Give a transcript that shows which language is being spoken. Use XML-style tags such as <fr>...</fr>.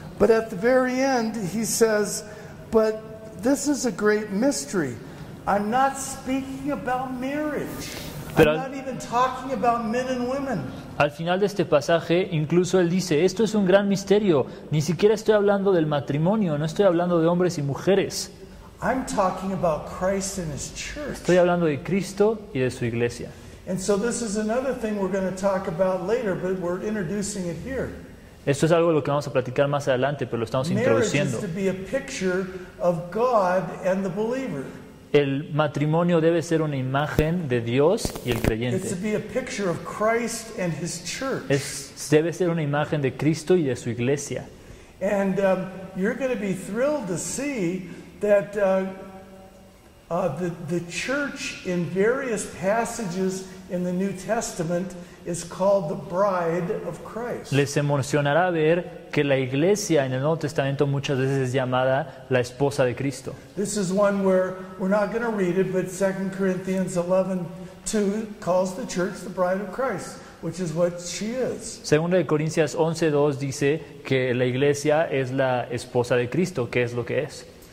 <en>But at the very end he says, but this is a great mystery. I'm not speaking about marriage.</en> <es>Pero</es> <en>I'm not even talking about men and women.</en> <es>Al final de este pasaje, incluso él dice, esto es un gran misterio. Ni siquiera estoy hablando del matrimonio, no estoy hablando de hombres y mujeres.</es> <en>I'm talking about Christ and his church.</en> <es>Estoy hablando de Cristo y de su iglesia.</es> <en>And so this is another thing we're going to talk about later, but we're introducing it here.</en> <es>Esto es algo de lo que vamos a platicar más adelante, pero lo estamos introduciendo.</es> <en>Marriage is to be a picture of God and the believer.</en> <es>El matrimonio debe ser una imagen de Dios y el creyente.</es> <en>It's to be a picture of Christ and his church.</en> <es>Debe ser una imagen de Cristo y de su iglesia.</es> <en>And you're going to be thrilled to see that The church in various passages in the New Testament is called the bride of Christ.</en> <es>Les emocionará ver que la iglesia en el Nuevo Testamento muchas veces es llamada la esposa de Cristo.</es> <en>This is one where we're not going to read it, but 2 Corinthians 11:2 calls the church the bride of Christ, which is what she is.</en> <es>Segunda de Corintios 11:2 dice que la iglesia es la esposa de Cristo, que es lo que es.</es>